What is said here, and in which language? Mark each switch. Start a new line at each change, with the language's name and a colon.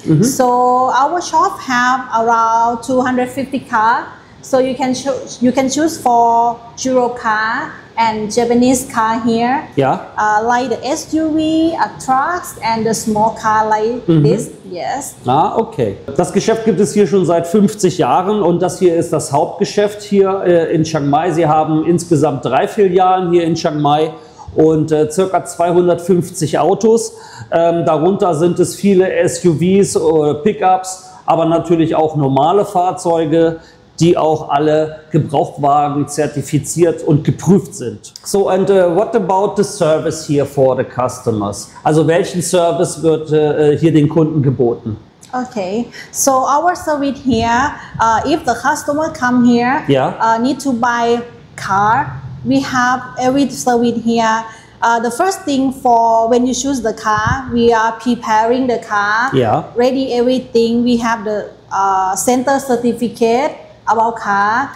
English: Mm-hmm. So our shop have around 250 car, so you can choose for Euro car and Japanese car here. Yeah. Like the SUV, a truck and the small car like mm-hmm. this. Yes. Ah, okay.
German: Das Geschäft gibt es hier schon seit 50 Jahren und das hier ist das Hauptgeschäft hier in Chiang Mai. Sie haben insgesamt 3 Filialen hier in Chiang Mai und ca. 250 Autos. Darunter sind es viele SUVs oder Pickups, aber natürlich auch normale Fahrzeuge, die auch alle Gebrauchtwagen zertifiziert und geprüft sind.
English: So, and what about the service here for the customers?
German: Also welchen Service wird hier den Kunden geboten?
English: Okay, so our service here, if the customer come here, yeah. Need to buy car, we have every service here. The first thing for when you choose the car, we are preparing the car, yeah. Ready everything, we have the center certificate, about car,